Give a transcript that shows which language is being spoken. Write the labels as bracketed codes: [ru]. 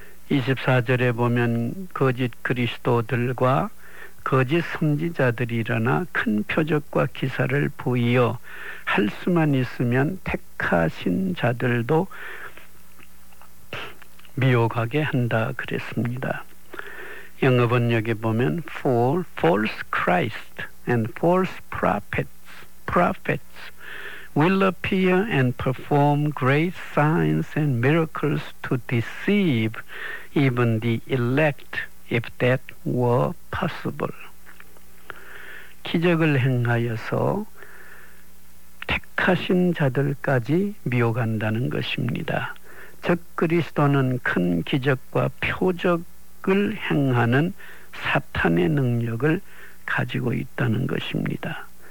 [ko] 24절에 보면 거짓 그리스도들과 거짓 선지자들이 일어나 큰 표적과 기사를 보이어 할 수만 있으면 택하신 자들도 미혹하게 한다 그랬습니다. 영어 번역에 보면 [en] for false Christ and false prophets will appear and perform great signs and miracles to deceive even the elect if that were possible. [ko] 기적을 행하여서 택하신 자들까지 미혹한다는 것입니다. 즉 그리스도는 큰 기적과 표적을 행하는 사탄의 능력을 가지고 있다는 것입니다.